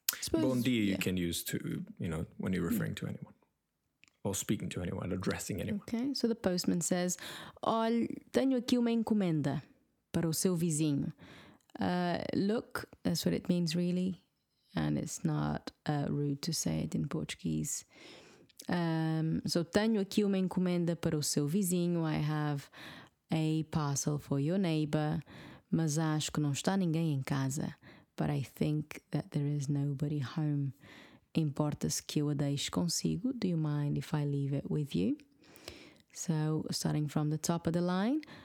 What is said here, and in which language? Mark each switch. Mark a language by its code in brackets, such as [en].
[pt] Bon dia [en] you can use to, you know, when you're referring to anyone. Or speaking to anyone, addressing anyone. Okay, so the postman says, [pt] "Olhe, tenho aqui uma encomenda para o seu vizinho." [en] Look, that's what it means really. And it's not rude to say it in Portuguese. [pt] So, tenho aqui uma encomenda para o seu vizinho. [en] I have a parcel for your neighbor. [pt] Mas acho que não está ninguém em casa. [en] But I think that there is nobody home. [pt] Importa-se que eu a deixe consigo. [en] Do you mind if I leave it with you? So, starting from the top of the line.